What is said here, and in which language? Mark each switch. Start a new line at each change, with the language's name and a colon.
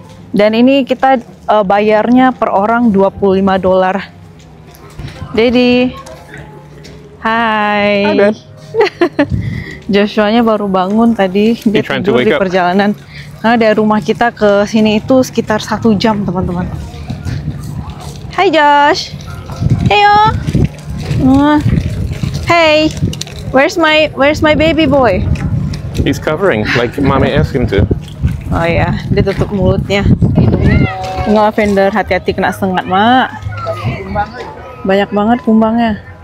Indonesian: Dan ini kita bayarnya per orang $25. Jadi hai. Joshua-nya baru bangun tadi. Dia tidur di perjalanan. Karena dari rumah kita ke sini itu sekitar 1 jam, teman-teman.
English: Hai Josh, heyo, hey, where's my baby boy? He's covering, like mommy asked him to. Oh ya, yeah.
Indonesian: Dia tutup mulutnya, hidungnya. Lavender, hati-hati kena sengat, mak. Banyak banget kumbangnya.